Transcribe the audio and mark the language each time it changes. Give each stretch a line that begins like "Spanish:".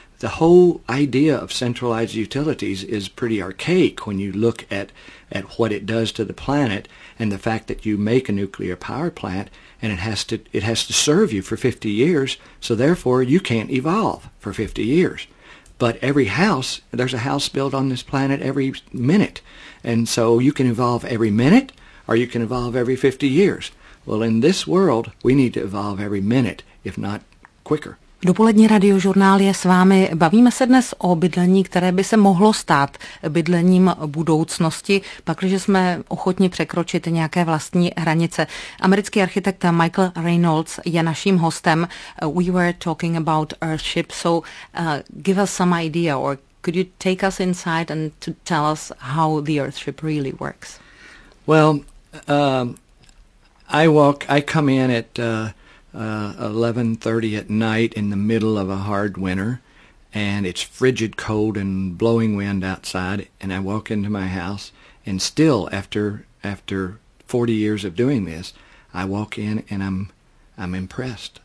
English: The whole idea of centralized utilities is pretty archaic when you look at what it does to the planet, and the fact that you make a nuclear power plant and it has to serve you for 50 years, so therefore you can't evolve for 50 years. But every house, there's a house built on this planet every minute, and so you can evolve every minute or you can evolve every 50 years. Well, in this world, we need to evolve every minute, if not quicker.
Czech: Dopolední radiožurnál je s vámi. Bavíme se dnes o bydlení, které by se mohlo stát bydlením budoucnosti, pakliže jsme ochotni překročit nějaké vlastní hranice. Americký architekt Michael Reynolds je naším hostem.
English: We were talking about Earthship, so give us some idea, or could you take us inside and to tell us how the Earthship really works? Well, I come in at 11:30 at night in the middle of a hard winter, and it's frigid cold and blowing wind outside, and I walk into my house, and still after 40 years of doing this, I walk in and I'm impressed.